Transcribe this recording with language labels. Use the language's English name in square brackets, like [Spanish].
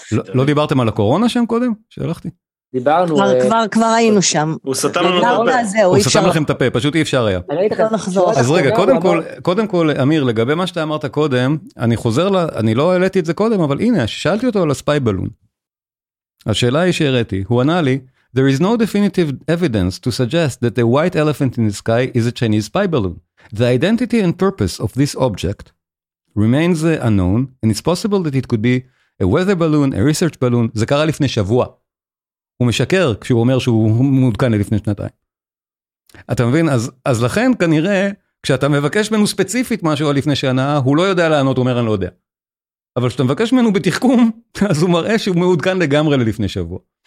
[Hebrew] לא דיברתם על הקורונה שם קודם? שהלכתי? דיברנו. כבר היינו שם. הוא סתם לכם את הפה, פשוט אי אפשר היה. אז רגע, קודם כל, אמיר, לגבי מה שאתה אמרת קודם, אני חוזר, אני לא העליתי את זה קודם, אבל הנה, שאלתי אותו על הספי בלון. השאלה היא שהראיתי, הוא ענה לי, [English] there is no definitive evidence to suggest that the white elephant in the sky is a Chinese spy balloon. The identity and purpose of this object remains unknown, and it's possible that it could be a weather balloon, a research balloon. [Hebrew] זה קרה לפני שבוע. הוא משקר כשהוא אומר שהוא מודכן לפני שנתיים. אתה מבין? אז לכן כנראה, כשאתה מבקש ממנו ספציפית משהו לפני שנה, הוא לא יודע לענות, אומר אני לא יודע. אבל כשאתה מבקש ממנו בתחכום, אז הוא מראה שהוא מעודכן לגמרי ללפני שבוע.